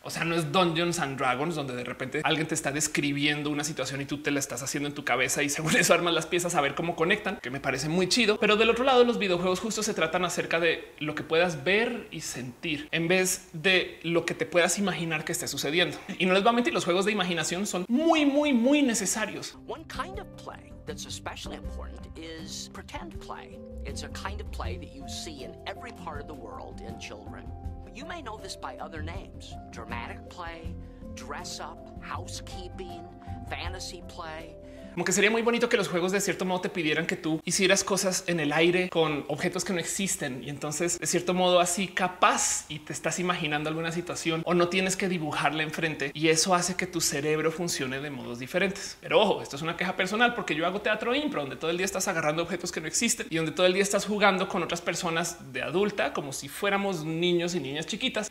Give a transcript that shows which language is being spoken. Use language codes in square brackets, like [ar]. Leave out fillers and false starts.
[es] O sea, no es Dungeons and Dragons, donde de repente alguien te está describiendo una situación y tú te la estás haciendo en tu cabeza y según eso armas las piezas a ver cómo conectan, que me parece muy chido. Pero del otro lado, los videojuegos justo se tratan acerca de lo que puedas ver y sentir en vez de lo que te puedas imaginar que esté sucediendo. Y no les va a mentir, los juegos de imaginación son muy, muy, muy necesarios. [en] One kind of play that's especially important is pretend play. It's a kind of play that you see in every part of the world in children. You may know this by other names: dramatic play, dress up, housekeeping, fantasy play. [es] Como que sería muy bonito que los juegos de cierto modo te pidieran que tú hicieras cosas en el aire con objetos que no existen. Y entonces de cierto modo así capaz y te estás imaginando alguna situación o no tienes que dibujarla enfrente. Y eso hace que tu cerebro funcione de modos diferentes. Pero ojo, esto es una queja personal porque yo hago teatro impro donde todo el día estás agarrando objetos que no existen y donde todo el día estás jugando con otras personas de adulta como si fuéramos niños y niñas chiquitas.